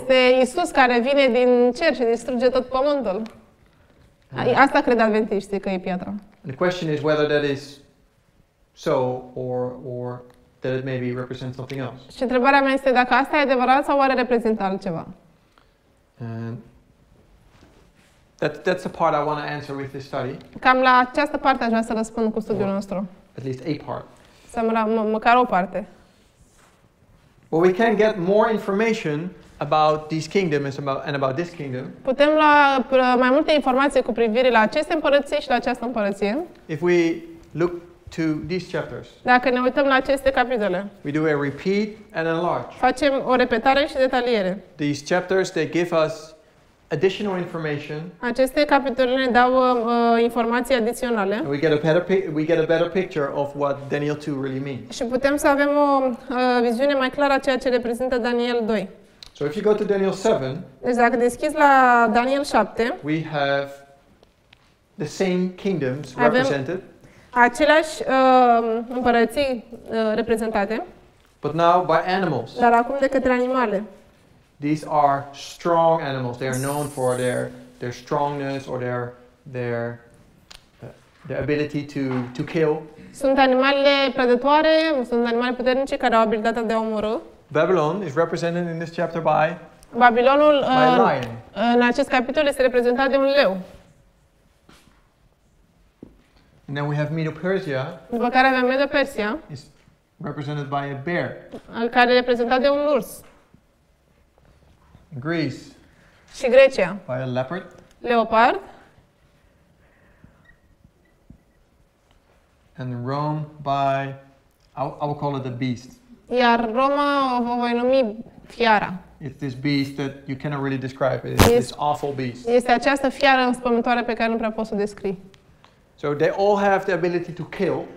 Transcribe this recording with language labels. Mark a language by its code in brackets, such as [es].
[ro] Este Isus care vine din cer și distruge tot pământul. Asta cred adventiștii că e piatra. [en] And the question is whether that is so or that it maybe represents something else. [ro] Și întrebarea mea este dacă asta e adevărat sau oare reprezintă altceva. [en] That's the part I want to answer with this study. [ro] Cam la această parte aș vrea să răspund cu studiul nostru. [en] At least a part. [ro] Măcar o parte. [en] Well, we can get more information about these kingdoms and about this kingdom. [ro] Putem lua mai multe informații cu privire la aceste împărății și la această împărăție. [en] If we look to these chapters. [ro] Dacă ne uităm la aceste capitole. [en] We do a repeat and enlarge. [ro] Facem o repetare și detaliere. [en] These chapters, they give us additional information. [ro] Aceste capitole ne dau informații adiționale. [en] And we get a better picture of what Daniel 2 really means. [ro] Și putem să avem o viziune mai clară a ceea ce reprezintă Daniel 2. [en] So if you go to Daniel 7, [ro] deci dacă deschizi la Daniel 7, [en] we have the same kingdoms represented. [ro] Aceleași împărății reprezentate. [en] But now by animals. [ro] Dar acum de către animale. [en] These are strong animals. They are known for their strongness or their ability to kill. [ro] Sunt animale predătoare, sunt animale puternice care au abilitatea de a omorâ. [en] Babylon is represented in this chapter by [ro] Babilonul [en] by lion. [ro] În acest capitol este reprezentat de un leu. [en] And then we have Medo-Persia. [ro] După care avem Medo-Persia. [en] Is represented by a bear. [ro] Care e reprezentat de un urs. [en] Greece. [ro] Și Grecia. [en] By a leopard. [ro] Leopard. [en] And Rome by I will call it a beast. [ro] Iar Roma o voi numi fiara. [en] It's this beast that you cannot really describe. It's this awful beast. [ro] Este această fiară înspăimântătoare pe care nu prea pot să o descriu. [en] So they all have the ability to kill.